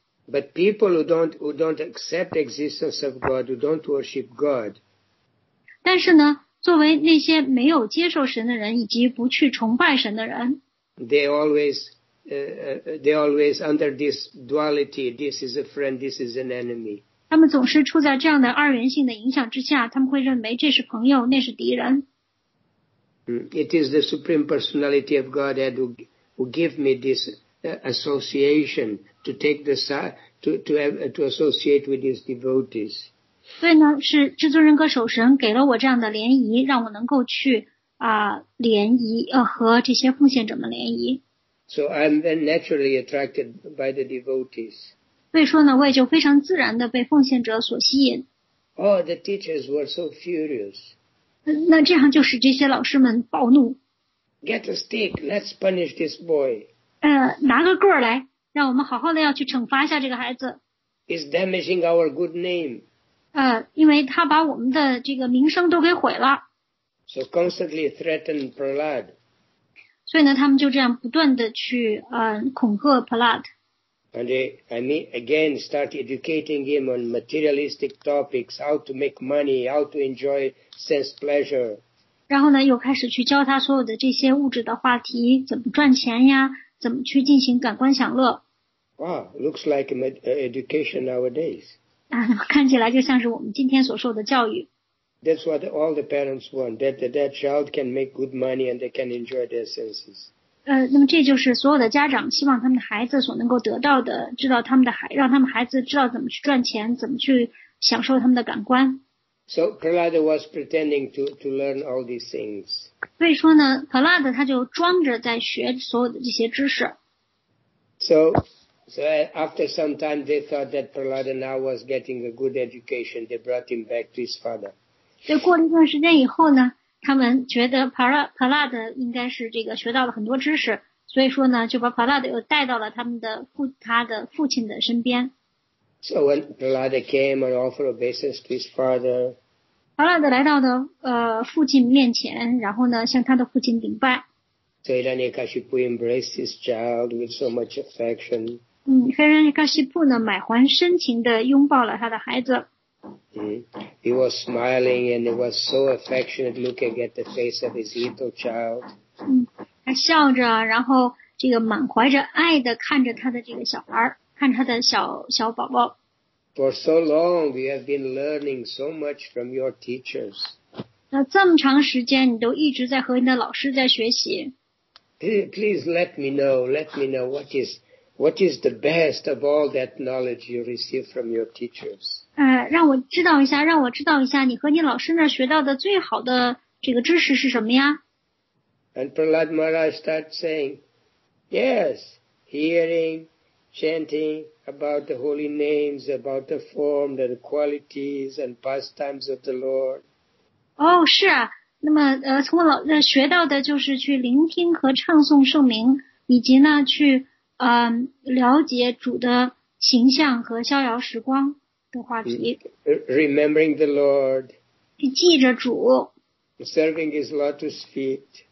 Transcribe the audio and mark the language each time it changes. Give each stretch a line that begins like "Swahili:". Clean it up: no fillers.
English: But people who don't accept existence of God, who don't worship God,
Chinese: 但是呢，作为那些没有接受神的人，以及不去崇拜神的人
English: ，they always under this duality. This is a friend. This is an enemy.
Chinese: 他们总是处在这样的二元性的影响之下，他们会认为这是朋友，那是敌人。
English: It is the supreme personality of Godhead who give me this association to take the to associate with his devotees.
Chinese: 所以呢，是至尊人格守神给了我这样的联谊，让我能够去联谊和这些奉献者们联谊。
English: So I'm then naturally attracted by the devotees.
Chinese: 所以说呢，我也就非常自然的被奉献者所吸引。
English: Oh, the teachers were so furious.
Chinese: 那这样就使这些老师们暴怒。
English: Get a stick, let's punish this boy.
Chinese: 拿个棍儿来，让我们好好的要去惩罚一下这个孩子。
English: It's damaging our good name.
Chinese: 因为他把我们的这个名声都给毁了。
English: So constantly threatened Prahlad.
Chinese: 所以呢，他们就这样不断的去恐吓 Prahlad.
English: And again start educating him on materialistic topics, how to make money, how to enjoy sense pleasure.
Chinese: 然后呢，又开始去教他所有的这些物质的话题，怎么赚钱呀，怎么去进行感官享乐。
English: Wow, looks like education nowadays.
Chinese: 看起来就像是我们今天所受的教育。
English: That's what all the parents want, that child can make good money and they can enjoy their senses.
Chinese: 那么这就是所有的家长希望他们的孩子所能够得到的，知道他们的孩，让他们孩子知道怎么去赚钱，怎么去享受他们的感官。
English: So Prahlad was pretending to learn all these things.
Chinese: 所以说呢 ，Prahlad 他就装着在学所有的这些知识。
English: So So after some time, they thought that Prahlada now was getting a good education. They brought him back to his father.
Chinese: 就过了一段时间以后呢，他们觉得 Prahlada 应该是这个学到了很多知识，所以说呢，就把 Prahlada 又带到了他的父亲的身边。
English: So when Prahlada came and offered obeisance to his father,
Chinese: Prahlada 来到了父亲面前，然后呢，向他的父亲顶拜。
English: So Hiranyakashipu embraced his child with so much affection.
Chinese: Hiranyakashipu 呢，满怀深情地拥抱了他的孩子。
English: He was smiling and he was so affectionate looking at the face of his little child.
Chinese: 他笑着，然后这个满怀着爱地看着他的这个小孩，看着他的小宝宝。
English: For so long, you have been learning so much from your teachers.
Chinese: 那这么长时间，你都一直在和你的老师在学习。
English: Please let me know what is the best of all that knowledge you receive from your teachers.
Chinese: 让我知道一下，让我知道一下，你和你老师那学到的最好的这个知识是什么呀？
English: And Prahlad Maharaj starts saying, yes, hearing, chanting about the holy names, about the form, the qualities and pastimes of the Lord.
Chinese: 是啊。那么从老学到的就是去聆听和唱诵圣名，以及呢去了解主的形象和逍遥时光的话题。
English: Remembering the Lord.
Chinese: 去记着主。
English: Serving his lotus feet.